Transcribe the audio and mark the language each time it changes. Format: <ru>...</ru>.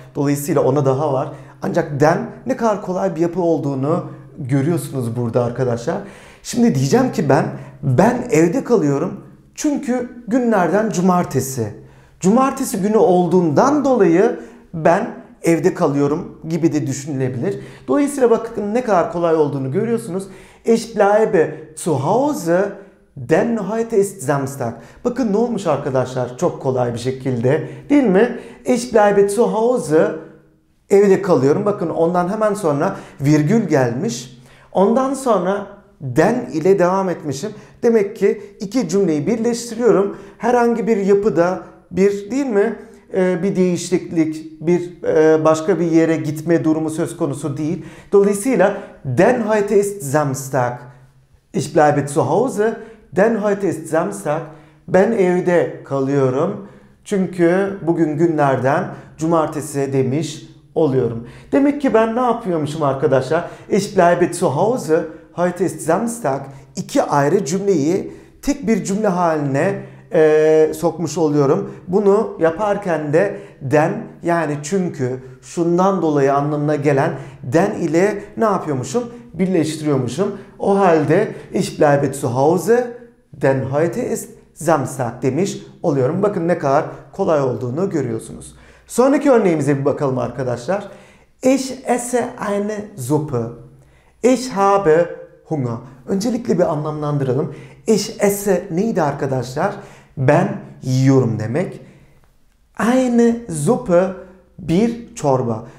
<tr>Dolayısıyla ona daha var. Ancak den ne kadar kolay bir yapı olduğunu görüyorsunuz burada arkadaşlar. Şimdi diyeceğim ki ben evde kalıyorum çünkü günlerden cumartesi. Cumartesi günü olduğundan dolayı ben evde kalıyorum gibi de düşünülebilir. Dolayısıyla bakın ne kadar kolay olduğunu görüyorsunuz.</tr> <de>Ich bleibe zu Hause, denn heute ist Samstag.</de> <tr>Bakın ne olmuş arkadaşlar, çok kolay bir şekilde, değil mi?</tr> <de>Ich bleibe zu Hause,</de> <tr>evde kalıyorum. Bakın ondan hemen sonra virgül gelmiş. Ondan sonra den ile devam etmişim. Demek ki iki cümleyi birleştiriyorum. Herhangi bir yapıda bir, değil mi? Bir değişiklik, bir başka bir yere gitme durumu söz konusu değil. Dolayısıyla</tr> <de>den heute ist Samstag. Ich bleibe zu Hause. Den heute ist Samstag.</de> <tr>Ben evde kalıyorum. Çünkü bugün günlerden cumartesi demiş oluyorum. Demek ki ben ne yapıyormuşum arkadaşlar?</tr> <de>Ich bleibe zu Hause, heute ist Samstag.</de> <tr>İki ayrı cümleyi tek bir cümle haline sokmuş oluyorum. Bunu yaparken de den, yani çünkü şundan dolayı anlamına gelen den ile ne yapıyormuşum? Birleştiriyormuşum. O halde</tr> <de>ich bleibe zu Hause, denn heute ist Samstag</de> <tr>demiş oluyorum. Bakın ne kadar kolay olduğunu görüyorsunuz. Sonraki örneğimize bir bakalım arkadaşlar.</tr> <de>Ich esse eine Suppe. Ich habe Hunger.</de> <tr>Öncelikle bir anlamlandıralım.</tr> <de>Ich esse</de> <tr>neydi arkadaşlar? Ben yiyorum demek.</tr> <de>Eine Suppe,</de> <tr>bir çorba.</tr>